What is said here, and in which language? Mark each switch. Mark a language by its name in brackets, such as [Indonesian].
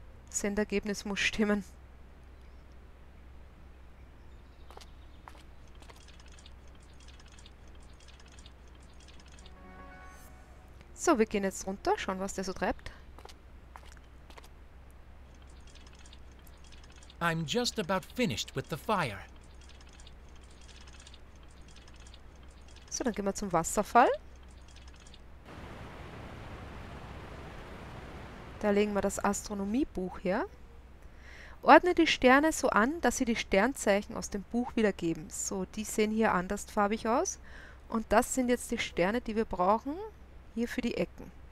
[German] Das Endergebnis muss stimmen. So, wir gehen jetzt runter, schauen, was der so treibt. [English] I'm just about finished with the fire. [German] So, dann gehen wir zum Wasserfall. Da legen wir das Astronomiebuch her. Ordne die Sterne so an, dass sie die Sternzeichen aus dem Buch wiedergeben. So, die sehen hier andersfarbig aus. Und das sind jetzt die Sterne, die wir brauchen, hier für die Ecken.